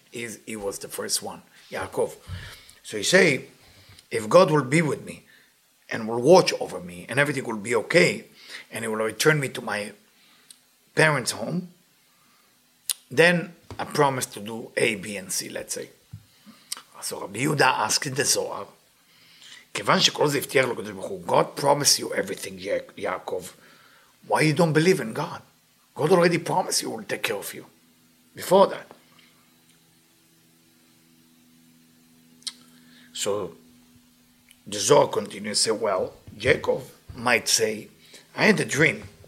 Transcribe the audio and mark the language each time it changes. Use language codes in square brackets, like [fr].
[en] He was the first one, Yaakov. So he say, if God will be with me and will watch over me and everything will be okay and he will return me to my parents' home, then I promise to do A, B, and C, let's say. So Rabbi Yehuda asked the Zohar, [he] כיוון שכל זה הבטיח לו קדוש ברוך הוא, [en] God promised you everything, Yaakov. Why you don't believe in God? God already promised you will take care of you. Before that. So, the Zohar continues to say, well, Jacob might say, I had a dream.